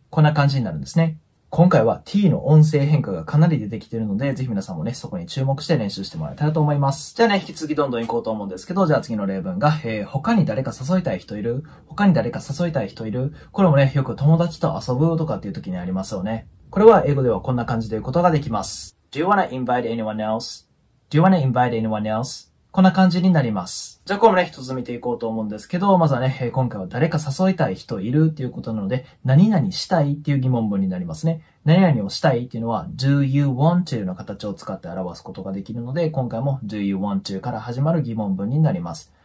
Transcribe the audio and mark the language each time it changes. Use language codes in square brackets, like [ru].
[ja] こんな感じになるんですね。今回は t の音声変化がかなり出てきているので、ぜひ皆さんもね、そこに注目して練習してもらえたらと思います。じゃあね、引き続きどんどん行こうと思うんですけど、じゃあ次の例文が、他に誰か誘いたい人いる？他に誰か誘いたい人いる？これもね、よく友達と遊ぶとかっていう時にありますよね。これは英語ではこんな感じで言うことができます。 [en] Do you wanna invite anyone else? Do you wanna invite anyone else? [ja] こんな感じになります。じゃあこれもね、一つ見ていこうと思うんですけど、まずはね、今回は誰か誘いたい人いるっていうことなので、何々したいっていう疑問文になりますね。何々をしたいっていうのは、 [en] do you want to [ja] の形を使って表すことができるので、今回も do you want to から始まる疑問文になります。